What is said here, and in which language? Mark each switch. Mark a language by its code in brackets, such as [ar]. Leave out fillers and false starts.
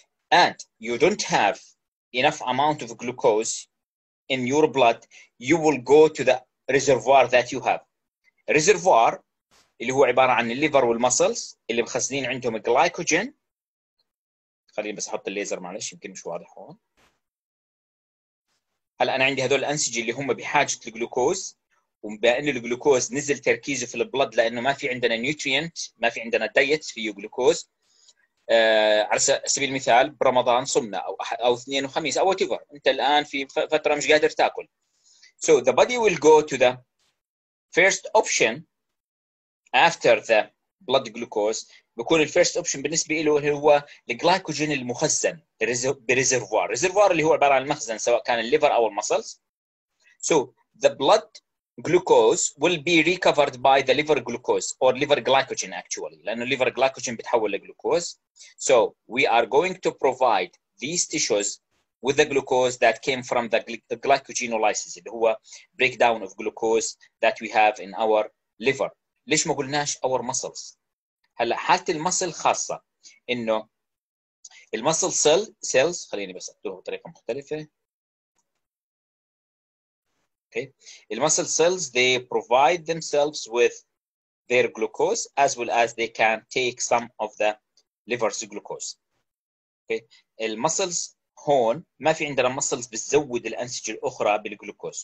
[en] And you don't have enough amount of glucose in your blood, you will go to the reservoir that you have. [ar] Reservoir, اللي هو عبارة عن الليفر والمسلز اللي مخزنين عندهم glycogen. خليني بس أحط الليزر معلش يمكن مش واضح هون. هلا أنا عندي هذول الأنسجة اللي هم بحاجة للجلوكوز. وبأن الجلوكوز نزل تركيزه في البلد لأنه ما في عندنا نيوترينت، ما في عندنا دايت فيه جلوكوز. على سبيل المثال برمضان صمنا أو اثنين وخميس أو whatever. أنت الآن في فترة مش قادر تأكل. [en] So the body will go to the first option after the blood glucose. [ar] بكون [en] the first option [ar] بالنسبة له هو الجلايكوجين المخزن بريزرفوار. ريزرفوار اللي هو عبارة عن المخزن سواء كان الليفر أو المسلز. [en] So the blood glucose will be recovered by the liver glucose or liver glycogen actually. [ar] لأنه liver glycogen بتحول لجلوكوز. [en] So we are going to provide these tissues with the glucose that came from the glycogenolysis, اللي هو breakdown of glucose that we have in our liver. [ar] ليش ما قلناش our muscles؟ هلا حالة المسل خاصة إنه المسل cells خليني بس أكتبها بطريقة مختلفة. [en] Okay. The muscle cells, they provide themselves with their glucose as well as they can take some of the liver's glucose. Okay. [ar] The muscles هون ما في عندنا muscles بتزود الأنسجة الأخرى بالجلوكوز.